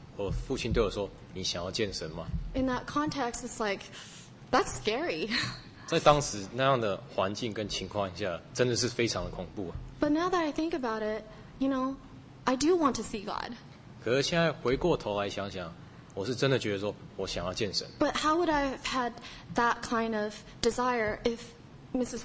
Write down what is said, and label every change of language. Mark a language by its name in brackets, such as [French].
[Chinese] 那甚至当时我父亲对我说，你想要见神吗？ [English] In that context, it's like, that's scary. [Chinese] 在当时那样的环境跟情况下，真的是非常的恐怖。 [English] But now that I think about it, you know, I do want to see God. [Chinese] 可是现在回过头来想想，我是真的觉得说我想要见神。 [English] But how would I have had that kind of desire if Mrs.